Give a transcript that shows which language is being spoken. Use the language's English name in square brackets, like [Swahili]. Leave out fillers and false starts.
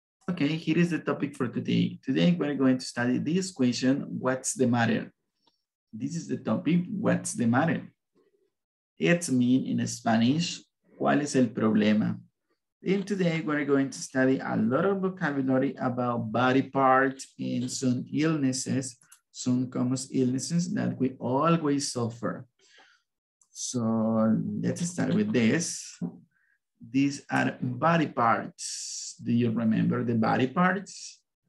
[English] Okay, here is the topic for today. Today we're going to study this question, what's the matter? This is the topic, what's the matter? It means in Spanish, [Spanish] ¿cuál es el problema? [English] And today we're going to study a lot of vocabulary about body parts and some illnesses, some common illnesses that we always suffer. So let's start with this. These are body parts. Do you remember the body parts?